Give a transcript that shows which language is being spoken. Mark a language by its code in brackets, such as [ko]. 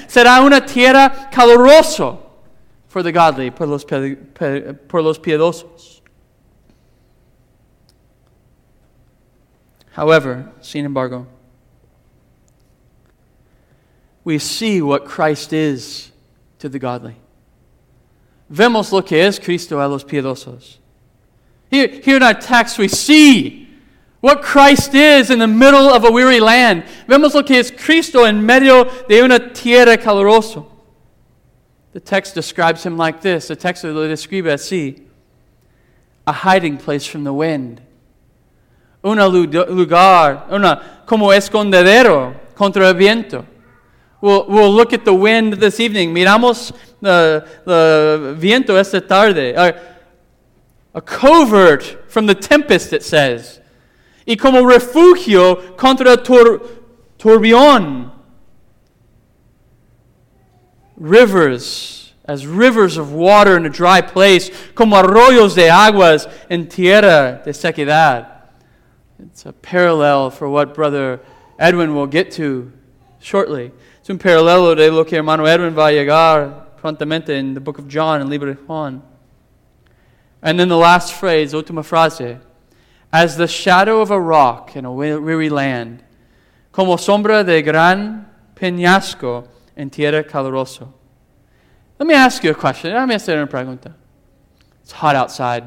[es] Será una tierra calurosa [en] for the godly, [es] por los piedosos. [en] However, [es] sin embargo, [en] we see what Christ is to the godly. [es] Vemos lo que es Cristo a los piedosos. [en] Here in our text, we see what Christ is in the middle of a weary land. [es] Vemos lo que es Cristo en medio de una tierra calurosa. [en] The text describes him like this. The text [es] lo describe así. [en] A hiding place from the wind. [es] Un lugar, una como escondedero contra el viento. [en] We'll look at the wind this evening. [es] Miramos el viento esta tarde. [en] A covert from the tempest, it says. [es] Y como refugio contra turbión. [en] Rivers, as rivers of water in a dry place. [es] Como arroyos de aguas en tierra de sequedad. [en] It's a parallel for what Brother Edwin will get to shortly. [es] Es un paralelo de lo que hermano Edwin va a llegar prontamente [en] in the book of John [es] and Libro de Juan. [en] And then the last phrase, [es] última frase, [en] as the shadow of a rock in a weary land, [es] como sombra de gran peñasco en tierra calurosa. [en] Let me ask you a question. Let me [es] hacer una pregunta. [en] It's hot outside.